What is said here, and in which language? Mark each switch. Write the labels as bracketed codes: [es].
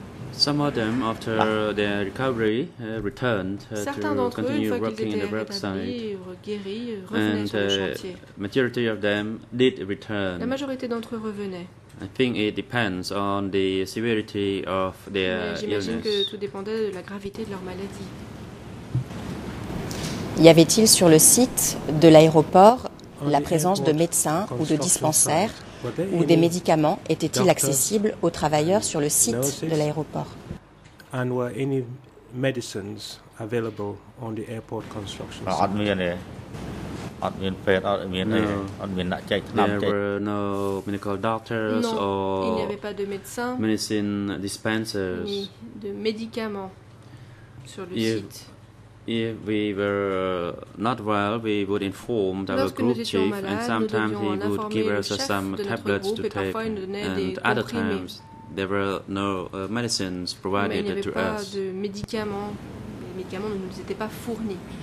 [en] Some of them, after their recovery, returned to continue working in the work site. And the majority of them did return. [fr] La majorité d'entre eux revenaient. [en] I think it depends on the severity of their illness. [fr] J'imagine que tout dépendait de la gravité de leur maladie. Y avait-il sur le site de l'aéroport la présence de médecins ou de dispensaires où des médicaments étaient-ils accessibles aux travailleurs sur le site de l'aéroport? [en] And were any medicines available on the airport construction site? No. There were no medical doctors or medicine dispensers. [fr] Ni de médicaments sur le site. [en] If we were not well, we would inform our group chief, [fr] malades, [en] and sometimes he would give us some tablets to take. And other times, there were no medicines provided [fr] mais [en] to us. [fr] De médicaments. Les médicaments ne nous étaient pas fournis.